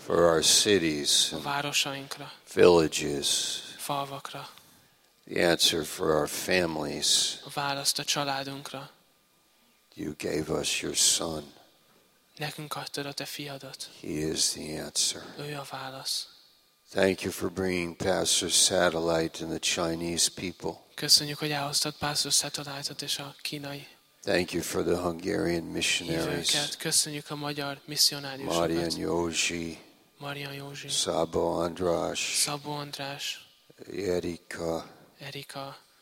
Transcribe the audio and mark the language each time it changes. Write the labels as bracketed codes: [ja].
[en] For our cities. [hu] A városainkra. [en] Villages. [hu] Falvakra. [en] The answer for our families. [hu] A választ a családunkra. [en] You gave us your son. [hu] Nekünk adtad a te fiadat. [en] He is the answer. [hu] Ő a válasz. [en] Thank you for bringing Pastor Satellite and the Chinese people. [hu] Köszönjük, hogy elhoztad Pastor Satellite-ot és a kínai. [en] Thank you for the Hungarian missionaries. [hu] Köszönjük a magyar misszionáriusokat. Marian Józsi. Marian Józsi. Szabó András. Szabó András. Erika. Erika.